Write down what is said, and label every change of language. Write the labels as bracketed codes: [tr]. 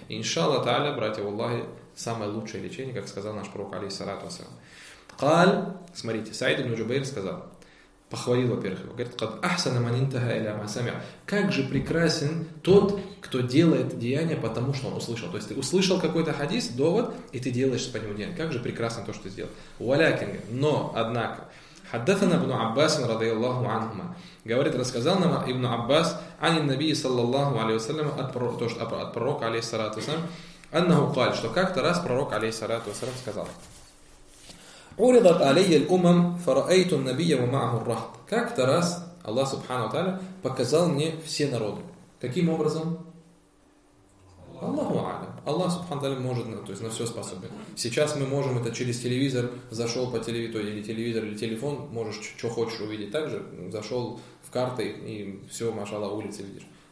[ru] Иншалла та'аля, братья в Аллахе, самое лучшее лечение, как сказал наш пророк, алейхиссалату ассалам. Каль, смотрите, Саид ибн Джубейр сказал, похвалил, во-первых, его, говорит, [ar] «Кад ахсана ман интаха иля ма самиа». [ru] Как же прекрасен тот, кто делает деяние, потому что он услышал. То есть ты услышал какой-то хадис, довод, и ты делаешь по нему деяние. Как же прекрасно то, что ты сделал. [ar] Валякин, [ru] но, однако, [ar] حدثنا ابن عباس رضي الله عنهما. [ru] Говорит, рассказал нам [ar] ابن عباس عن النبي صلى الله عليه وسلم [ru] от пророка [ar] عليه الصلاة والسلام, أنه قال, [ru] что как-то раз пророк [ar] عليه الصلاة والسلام [ru] сказал, [ar] عرضت علي الأمم فرأيت النبي ومعه الرهط. [ru] Как-то раз Аллах [ar] سبحانه وتعالى [ru] показал мне все народы. Каким образом? Аллаху Аля. Аллах Субхану Тааля может, то есть на все способен. Сейчас мы можем это через телевизор, зашел по телевизору, или телевизор, или телефон, можешь, что хочешь увидеть, так же, зашел в карты, и все, машалла, улицы видишь.